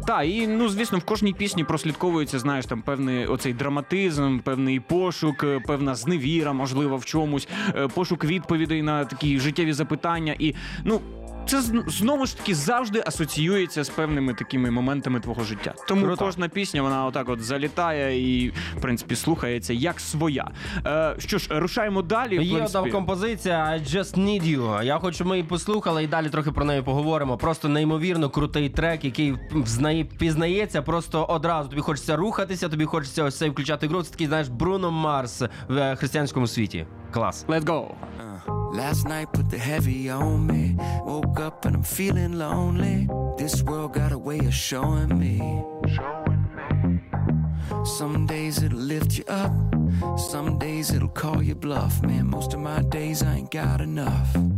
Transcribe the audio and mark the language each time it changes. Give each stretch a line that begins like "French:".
Ukrainian: Так, і, ну, звісно, в кожній пісні прослідковується, знаєш, там певний оцей драматизм, певний пошук, певна зневіра, можливо, в чомусь, пошук відповідей на такі життєві запитання і, ну, це знову ж таки завжди асоціюється з певними такими моментами твого життя. Тому круто. Кожна пісня, вона отак от залітає і, в принципі, слухається як своя. Що ж, рушаємо далі. Є одна композиція I Just Need You. Я хочу, ми її послухали і далі трохи про неї поговоримо. Просто неймовірно крутий трек, який впізнається просто одразу. Тобі хочеться рухатися, тобі хочеться ось цей включати гру. Це такий, знаєш, Bruno Mars в християнському світі. Клас.
English: Let's go. Last night put the heavy on me. Woke up and I'm feeling lonely. This world got a way of showing me. Showing me. Some days it'll lift you up. Some days it'll call you bluff. Man, most of my days I ain't got enough.